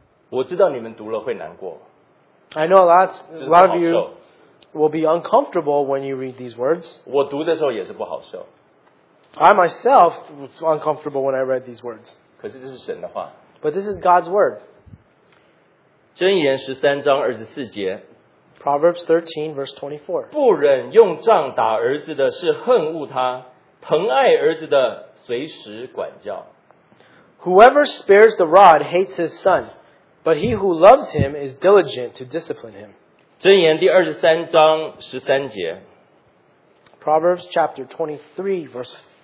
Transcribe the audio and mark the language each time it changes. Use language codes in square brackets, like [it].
[zh] 我知道你们读了会难过, [en] I know a lot of you will be uncomfortable when you read these words. [zh] 我读的时候也是不好受, [en] I myself was uncomfortable when I read these words. [zh] 可是这是神的话, [en] but this is God's word. [zh] 箴言13章24节, [en] Proverbs 13, verse 24. [zh] 不忍用杖打儿子的是恨恶他, 疼爱儿子的随时管教。 [en] Whoever spares the rod hates his son, but he who loves him is diligent to discipline him. [zh] 箴言第23章13节。 [en] Proverbs chapter 23, verse